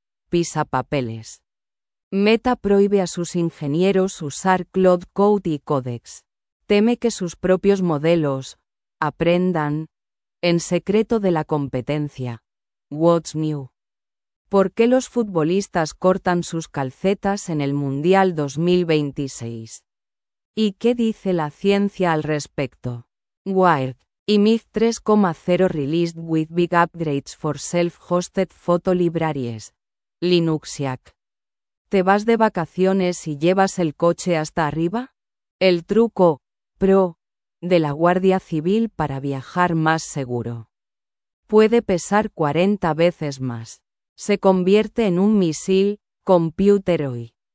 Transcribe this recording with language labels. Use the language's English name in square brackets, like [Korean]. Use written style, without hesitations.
[Spanish] Pisa papeles. Meta prohíbe a sus ingenieros usar Cloud Code y Codex. Teme que sus propios modelos aprendan. En secreto de la competencia. What's new? ¿Por qué los futbolistas cortan sus calcetas en el Mundial 2026? ¿Y qué dice la ciencia al respecto? Wired. [English] IMIF 3.0 released with big upgrades for self-hosted photo libraries. Linuxiac. [Spanish] ¿Te vas de vacaciones y llevas el coche hasta arriba? El truco, pro, de la Guardia Civil para viajar más seguro. Puede pesar 40 veces más. Se convierte en un misil, computer hoy.